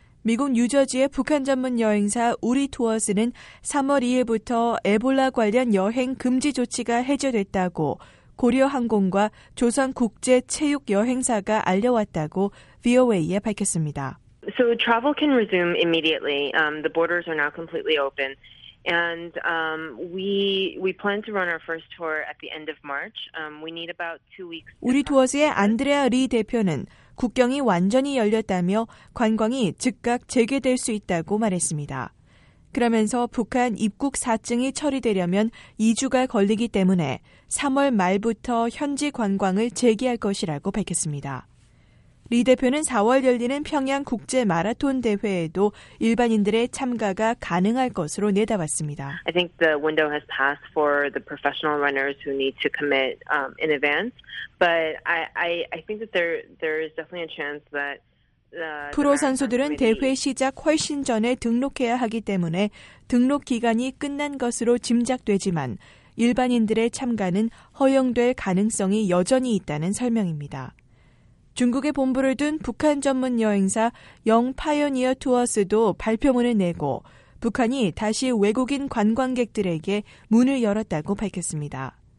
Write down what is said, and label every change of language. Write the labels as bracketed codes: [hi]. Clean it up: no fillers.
[ko] 미국 뉴저지의 북한 전문 여행사 우리 투어스는 3월 2일부터 에볼라 관련 여행 금지 조치가 해제됐다고 고려항공과 조선국제체육여행사가 알려왔다고 VOA에 밝혔습니다. [en] So travel can resume immediately. The borders are now completely open. And we plan to run our first tour at the end of March. We need about 2 weeks. [ko] 우리 투어스의 안드레아 리 대표는 국경이 완전히 열렸다며 관광이 즉각 재개될 수 있다고 말했습니다. 그러면서 북한 입국 사증이 처리되려면 2주가 걸리기 때문에 3월 말부터 현지 관광을 재개할 것이라고 밝혔습니다. 리 대표는 4월 열리는 평양 국제 마라톤 대회에도 일반인들의 참가가 가능할 것으로 내다봤습니다. [en] I think the window has passed for the professional runners who need to commit in advance, but I think that there is definitely a chance that [ko] 프로 선수들은 대회 시작 훨씬 전에 등록해야 하기 때문에 등록 기간이 끝난 것으로 짐작되지만 일반인들의 참가는 허용될 가능성이 여전히 있다는 설명입니다. 중국의 본부를 둔 북한 전문 여행사 영 파이오니어 투어스도 발표문을 내고 북한이 다시 외국인 관광객들에게 문을 열었다고 밝혔습니다.